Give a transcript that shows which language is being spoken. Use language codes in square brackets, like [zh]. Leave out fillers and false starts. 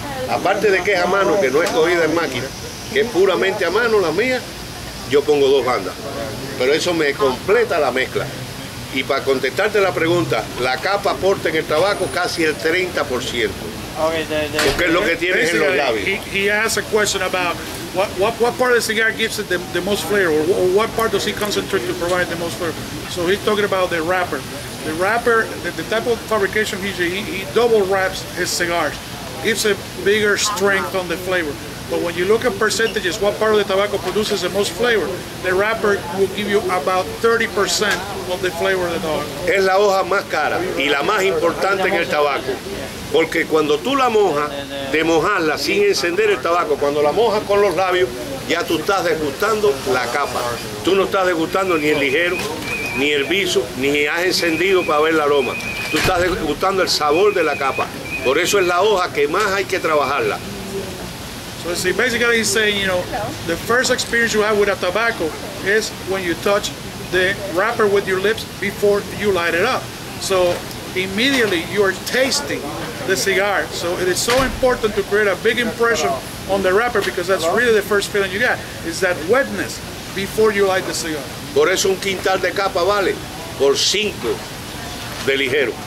[es] Aparte de que es a mano, que no es cogida en máquina, que es puramente a mano la mía, yo pongo dos bandas, pero eso me completa la mezcla. Y para contestarte la pregunta, la capa aporta en el tabaco casi el 30%. Porque es lo que tienes en los labios. [en] He asked a question about what part of the cigar gives it the most flavor, or what part does he concentrate to provide the most flavor. So he's talking about the wrapper. The wrapper, the type of fabrication he double wraps his cigars, gives a bigger strength on the flavor. But when you look at percentages, what part of the tobacco produces the most flavor, the wrapper will give you about 30% of the flavor of the tobacco. [es] Es la hoja más cara y la más importante en el tabaco. Porque cuando tú la mojas, de mojarla sin encender el tabaco, cuando la mojas con los labios, ya tú estás degustando la capa. Tú no estás degustando ni el ligero, ni el viso, ni has encendido para ver el aroma. Tú estás degustando el sabor de la capa. Por eso es la hoja que más hay que trabajarla. [en] So see, basically he's saying, you know, the first experience you have with a tobacco is when you touch the wrapper with your lips before you light it up. So immediately you are tasting the cigar. So it is so important to create a big impression on the wrapper, because that's really the first feeling you get, is that wetness before you light the cigar. [es] Por eso un quintal de capa vale por cinco de ligero.